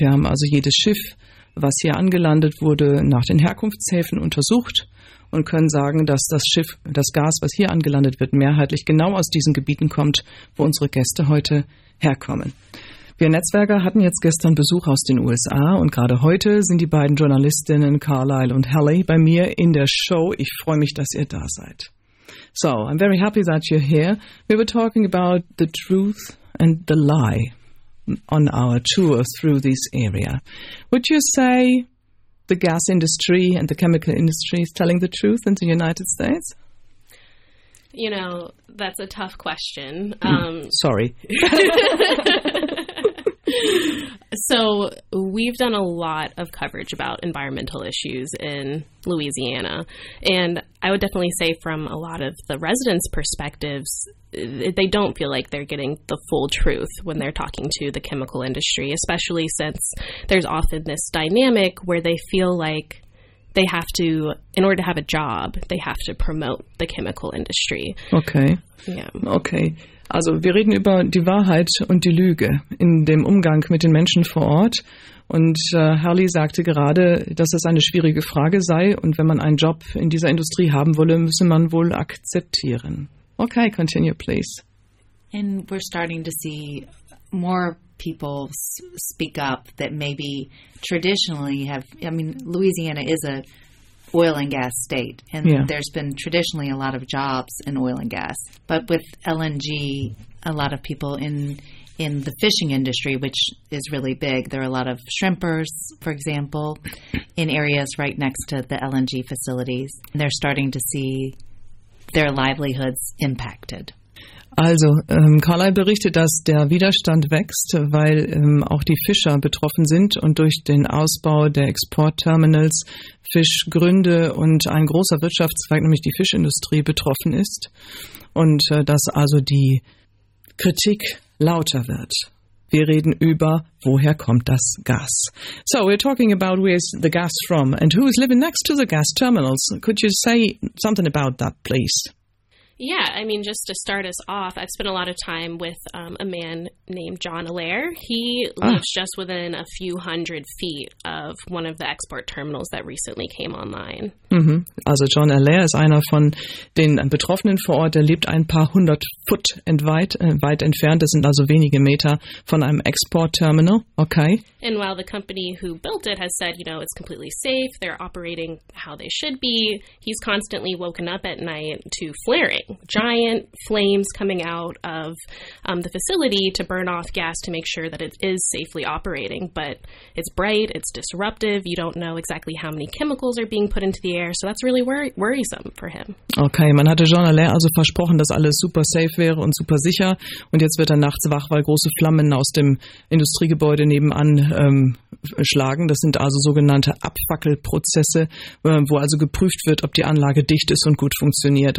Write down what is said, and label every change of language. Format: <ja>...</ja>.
<de>Wir haben also jedes Schiff, was hier angelandet wurde, nach den Herkunftshäfen untersucht und können sagen, dass das Schiff, das Gas, was hier angelandet wird, mehrheitlich genau aus diesen Gebieten kommt, wo unsere Gäste heute herkommen. Wir Netzwerker hatten jetzt gestern Besuch aus den USA und gerade heute sind die beiden Journalistinnen Carlisle und Halley bei mir in der Show. Ich freue mich, dass ihr da seid.</de> <en>So, I'm very happy that you're here. We were talking about the truth and the lie on our tour through this area. Would you say the gas industry and the chemical industry is telling the truth in the United States? You know, that's a tough question. Sorry. So we've done a lot of coverage about environmental issues in Louisiana. And I would definitely say from a lot of the residents' perspectives, they don't feel like they're getting the full truth when they're talking to the chemical industry, especially since there's often this dynamic where they feel like they have to, in order to have a job, they have to promote the chemical industry. Okay. Yeah. Okay.</en> <de>Also wir reden über die Wahrheit und die Lüge in dem Umgang mit den Menschen vor Ort. Und Harley sagte gerade, dass es eine schwierige Frage sei. Und wenn man einen Job in dieser Industrie haben wolle, müsse man wohl akzeptieren.</de> <en>Okay, continue, please. And we're starting to see more people speak up that maybe traditionally have, I mean, Louisiana is a oil and gas state, and yeah, there's been traditionally a lot of jobs in oil and gas. But with LNG, a lot of people in the fishing industry, which is really big, there are a lot of shrimpers, for example, in areas right next to the LNG facilities. And they're starting to see their livelihoods impacted.</en> <de>Also, Carly berichtet, dass der Widerstand wächst, weil auch die Fischer betroffen sind und durch den Ausbau der Exportterminals Fischgründe und ein großer Wirtschaftszweig, nämlich die Fischindustrie, betroffen ist und dass also die Kritik lauter wird. Wir reden über, woher kommt das Gas?</de> <en>So, we're talking about where is the gas from and who is living next to the gas terminals. Could you say something about that, please? Yeah, I mean, just to start us off, I've spent a lot of time with a man named John Allaire. He lives just within a few hundred feet of one of the export terminals that recently came online. Mm-hmm.</en> <de>Also John Allaire ist einer von den Betroffenen vor Ort. Er lebt ein paar hundert Foot weit entfernt. Das sind also wenige Meter von einem Exportterminal.</de> <en>Okay. And while the company who built it has said, you know, it's completely safe, they're operating how they should be, he's constantly woken up at night to flaring. Giant flames coming out of the facility to burn off gas to make sure that it is safely operating. But it's bright, it's disruptive, you don't know exactly how many chemicals are being put into the air, so that's really worrisome for him.</en> <de>Okay, man hatte Jean Allaire also versprochen, dass alles super safe wäre und super sicher, und jetzt wird er nachts wach, weil große Flammen aus dem Industriegebäude nebenan schlagen. Das sind also sogenannte Abfackelprozesse, wo also geprüft wird, ob die Anlage dicht ist und gut funktioniert.</de>